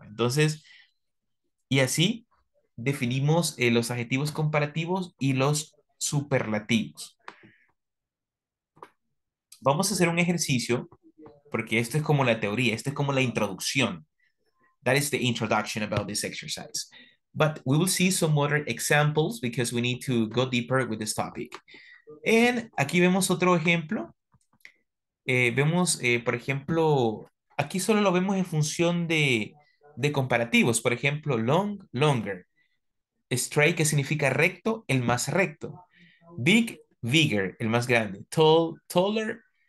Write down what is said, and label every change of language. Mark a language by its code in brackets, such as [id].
[es] Entonces, y así definimos los adjetivos comparativos y los superlativos. Vamos a hacer un ejercicio, porque esto es como la teoría, esto es como la introducción. [en] That is the introduction about this exercise. But we will see some other examples because we need to go deeper with this topic. [es] And aquí vemos otro ejemplo. Por ejemplo, aquí solo lo vemos en función de comparativos. Por ejemplo, long, longer. Straight, que significa recto, el más recto. Big, bigger, el más grande. Tall, taller.